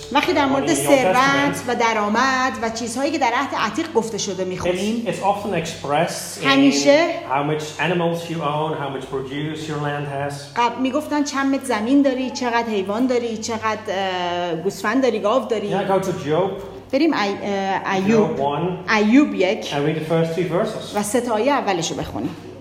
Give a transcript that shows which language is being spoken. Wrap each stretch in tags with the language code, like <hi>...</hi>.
<fa>وقتی در مورد ثروت و درآمد و چیزهایی که در عهد عتیق گفته شده می‌خونیم</fa> <en>it's often expressed همیشه in how much animals you own, how much produce your land has.</en> <fa>قبل می‌گفتن چند متر زمین داری، چقدر حیوان داری، چقدر گوسفند داری، گاو داری.</fa> <en>Yeah, go to Job.</en> <fa>بریم ایوب. ایوب 1.</fa> <en>And read the first three verses.</en> <fa>و سه تا آیه اولش رو بخونیم.</fa>